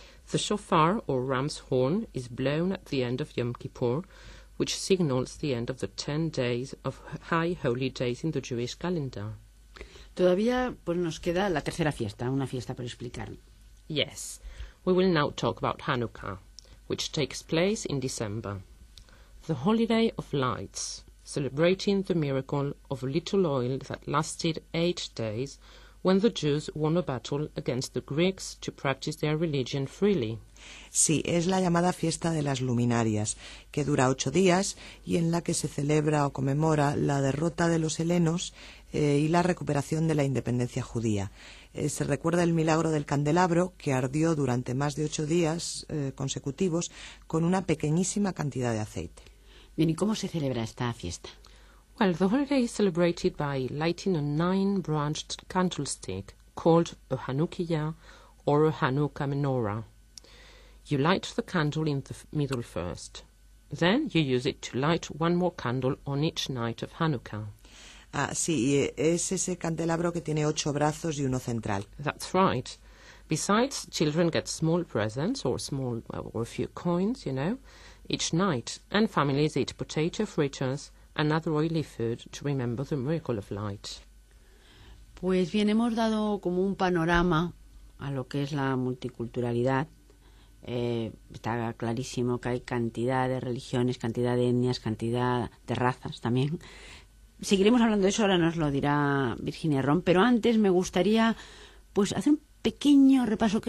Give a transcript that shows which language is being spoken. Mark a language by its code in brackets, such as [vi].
[en] The shofar, or ram's horn, is blown at the end of Yom Kippur, which signals the end of the 10 days of high holy days in the Jewish calendar. [es] Todavía, pues nos queda la tercera fiesta, una fiesta por explicar. [en] Yes, we will now talk about Hanukkah, which takes place in December. The holiday of lights, celebrating the miracle of a little oil that lasted 8 days, when the Jews won a battle against the Greeks to practice their religion freely. [es] Sí, es la llamada fiesta de las luminarias, que dura 8 días y en la que se celebra o conmemora la derrota de los helenos y la recuperación de la independencia judía. Se recuerda el milagro del candelabro, que ardió durante más de 8 días consecutivos con una pequeñísima cantidad de aceite. Bien, ¿y cómo se celebra esta fiesta? [en] Well, the holiday is celebrated by lighting a 9-branched candlestick called a Hanukkiah or a Hanukkah menorah. You light the candle in the middle first. Then you use it to light one more candle on each night of Hanukkah. [es] Ah, sí, es ese candelabro que tiene 8 brazos y uno central. [en] That's right. Besides, children get small presents or a few coins, you know, each night, and families eat potato fritters. Another oily food to remember the miracle of light. [es] Pues bien, hemos dado como un panorama a lo que es la multiculturalidad. Está clarísimo que hay cantidad de religiones, cantidad de etnias, cantidad de razas también. Seguiremos hablando de eso, ahora nos lo dirá Virginia Ron, pero antes me gustaría pues hacer un pequeño repaso.